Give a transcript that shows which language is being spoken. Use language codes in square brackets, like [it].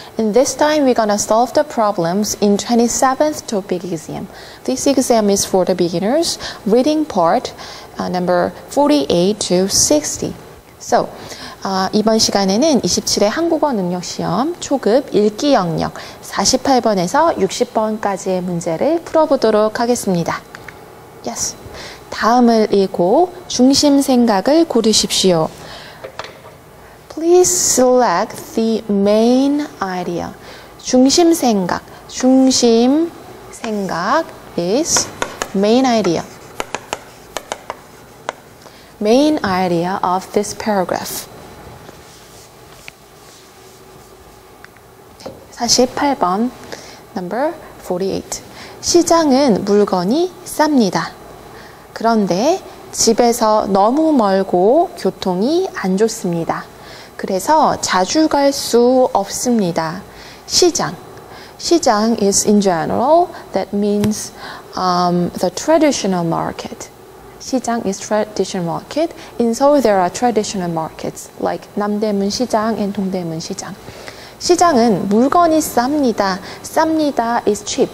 [en] And this time we're going to solve the problems in 27th topic exam. This exam is for the beginners, reading part number 48 to 60. [ko] So, 이번 시간에는 27회 한국어 능력 시험 초급 읽기 영역 48번에서 60번까지의 문제를 풀어보도록 하겠습니다. [en] Yes. [ko] 다음을 읽고 중심 생각을 고르십시오. [en] Please select the main idea. [ko] 중심 생각. 중심 생각 [en] is main idea. Main idea of this paragraph. [ko] 48번, [en] number 48. [ko] 시장은 물건이 쌉니다. 그런데 집에서 너무 멀고 교통이 안 좋습니다. 그래서 자주 갈 수 없습니다. 시장. [en] 시장 is in general, that means the traditional market. 시장 is traditional market. In Seoul, there are traditional markets, like 남대문 시장 and 동대문 시장. [ko] 시장은 물건이 쌉니다. 쌉니다 [en] is cheap.